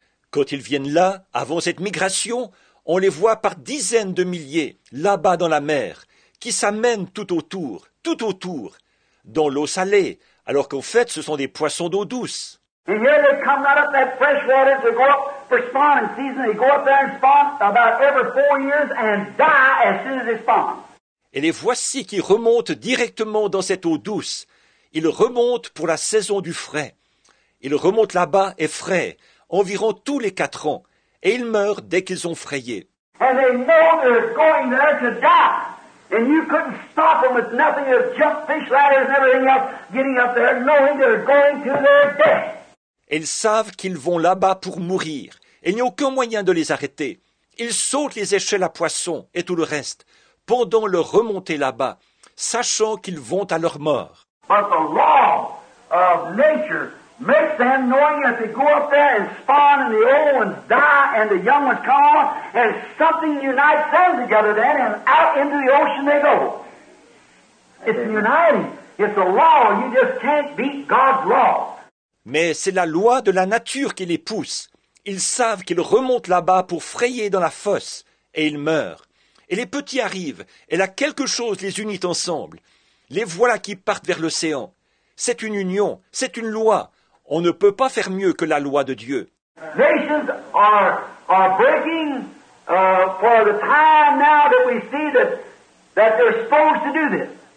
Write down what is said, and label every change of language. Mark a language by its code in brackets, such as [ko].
[fr] Quand ils viennent là, avant cette migration, on les voit par dizaines de milliers, là-bas dans la mer. Qui s'amènent tout autour, dans l'eau salée, alors qu'en fait, ce sont des poissons d'eau douce. [en] And here they come out of that fresh water to go up for spawning season. They go up there and spawn about every 4 years and die as soon as they spawn. [fr] Et les voici qui remontent directement dans cette eau douce. Ils remontent pour la saison du frais. Ils remontent là-bas et frais, environ tous les 4 ans, et ils meurent dès qu'ils ont frayé. [en] And they know they're going there to die. And you couldn't stop them with nothing but jump fish ladders and everything else getting up there, knowing they're going to their death. [fr] Ils savent qu'ils vont là-bas pour mourir. Il n'y a aucun moyen de les arrêter. Ils sautent les échelles à poissons et tout le reste pendant leur remontée là-bas, sachant qu'ils vont à leur mort. [en] But the law of nature makes them knowing that they go up there and spawn, and the old ones die, and the young ones come on, and something unites them together then, and out into the ocean they go. It's uniting. It's a law. You just can't beat God's law. [fr] Mais c'est la loi de la nature qui les pousse. Ils savent qu'ils remontent là-bas pour frayer dans la fosse, et ils meurent. Et les petits arrivent, et là quelque chose les unit ensemble. Les voilà qui partent vers l'océan. C'est une union, c'est une loi. On ne peut pas faire mieux que la loi de Dieu. [en] Nations are breaking for the time now that we see that they're supposed to do this.